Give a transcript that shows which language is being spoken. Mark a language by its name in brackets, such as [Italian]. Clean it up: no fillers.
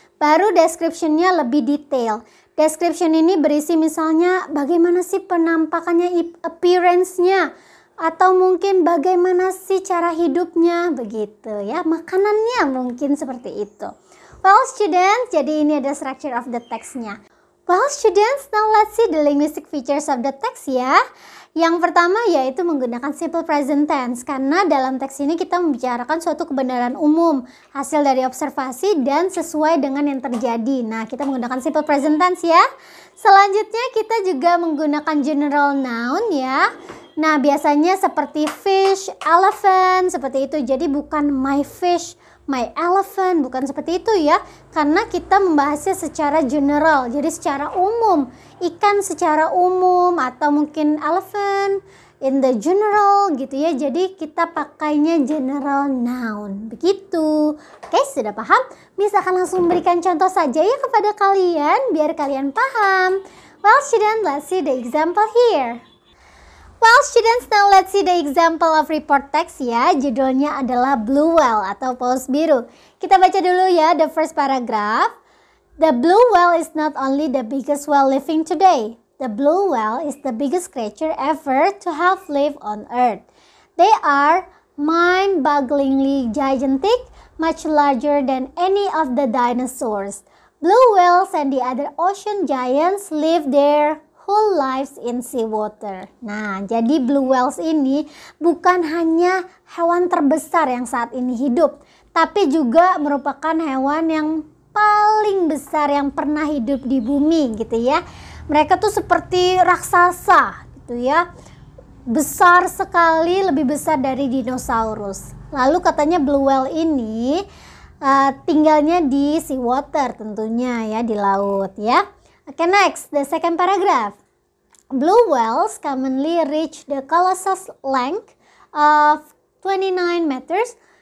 [Indonesian] Baru description-nya lebih detail. Description ini berisi misalnya bagaimana sih penampakannya, appearance-nya, atau mungkin bagaimana sih cara hidupnya, begitu ya, makanannya mungkin seperti itu. [English] Well, students, [Indonesian] jadi ini ada [English] structure of the text-nya. Well, students, now let's see the linguistic features of the text ya. [Indonesian] Yang pertama yaitu menggunakan simple present tense, karena dalam teks ini kita membicarakan suatu kebenaran umum, hasil dari observasi dan sesuai dengan yang terjadi. Nah, kita menggunakan simple present tense ya. Selanjutnya, kita juga menggunakan general noun ya. Nah, biasanya seperti fish, elephant, seperti itu. Jadi, bukan my fish, my elephant, bukan seperti itu ya. Karena kita membahasnya secara general, jadi secara umum. Ikan secara umum, atau mungkin elephant, [English] in the general, [Indonesian] gitu ya. Jadi, kita pakainya general noun, begitu. Oke, sudah paham? Miss akan langsung memberikan contoh saja ya kepada kalian, biar kalian paham. [English] Well, student, let's see the example here. Well, students, now let's see the example of report text ya. [Indonesian] Judulnya adalah Blue Whale atau paus biru. Kita baca dulu ya [English] the first paragraph. The blue whale is not only the biggest whale living today. The blue whale is the biggest creature ever to have lived on Earth. They are mind-bogglingly gigantic, much larger than any of the dinosaurs. Blue whales and the other ocean giants live there whole lives in seawater. [Indonesian] Nah, jadi blue whales ini bukan hanya hewan terbesar yang saat ini hidup, tapi juga merupakan hewan yang paling besar yang pernah hidup di bumi, gitu ya. Mereka tuh seperti raksasa, gitu ya. Besar sekali, lebih besar dari dinosaurus. Lalu katanya blue whale ini tinggalnya di seawater tentunya ya, di laut ya. [English] Oke, next, the second paragraph. Blue whales commonly reach the colossus length of 29 meters.